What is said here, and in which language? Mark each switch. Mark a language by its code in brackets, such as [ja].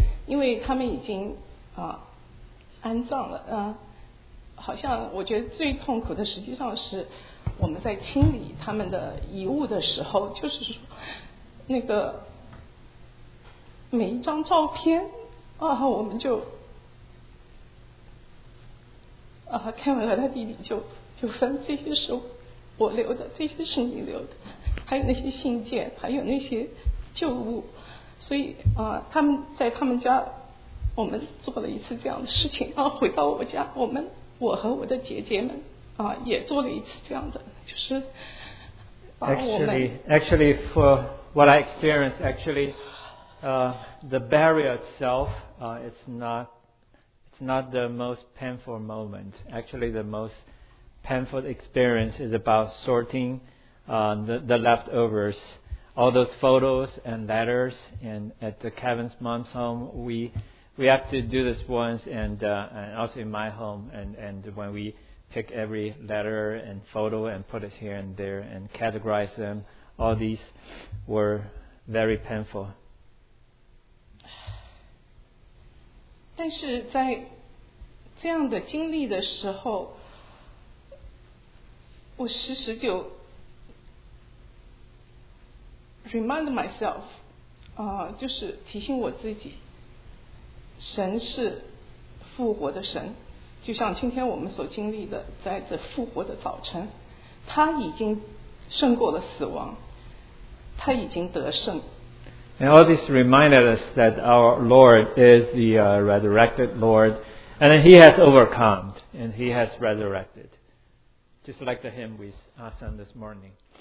[zh] 因为他们已经安葬了，好像我觉得最痛苦的实际上是我们在清理他们的遗物的时候，就是说那个每一张照片啊，我们就看完了，他弟弟就分，这些是我留的，这些是你留的，还有那些信件，还有那些旧物。所以他们在他们家，我们做了一次这样的事情，然后回到我家，我和我的姐姐们也做了一次这样的，就是 [en] actually for what I experienced, actually the burial itself it's not the most painful moment. Actually the most painful experience is about sorting the leftovers, all those photos and letters. And at the Kevin's mom's home, we have to do this once, and also in my home, and when we pick every letter and photo and put it here and there and categorize them, all these were very painful. [zh] 但是在这样的经历的时候，我时时就 [en] remind myself, [zh] 就是提醒我自己，神是复活的神，就像今天我们所经历的，在这复活的早晨，他已经胜过了死亡，他已经得胜。 [en] And all this reminded us that our Lord is the resurrected Lord, and he has overcome, and he has resurrected. Just like the hymn we sang this morning.